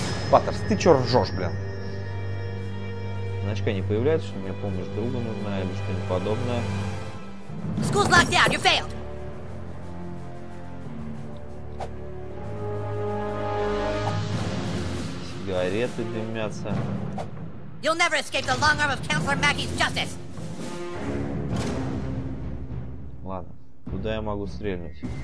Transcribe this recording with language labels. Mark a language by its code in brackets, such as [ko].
[ru] Паттерс, ты чё ржёшь, блин? Значка не появляется, что мне помощь друга нужна или что-нибудь подобное. [en] School's locked down, you failed! [ru] Сигареты дымятся. [en] You'll never escape the long arm of Counselor Mackey's justice! [ru] Ладно, куда я могу стрельнуть?